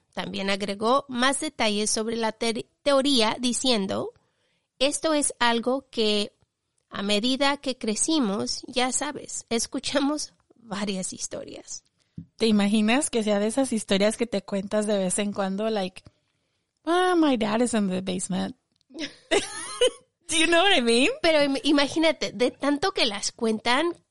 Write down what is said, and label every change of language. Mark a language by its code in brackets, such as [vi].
[es] También agregó más detalles sobre la teoría diciendo, esto es algo que a medida que crecimos, ya sabes, escuchamos varias historias. ¿Te imaginas que sea de esas historias que te cuentas de vez en cuando? [en] Like, oh, my dad is in the basement. Do you know what I mean? [es] Pero imagínate, de tanto que las cuentan.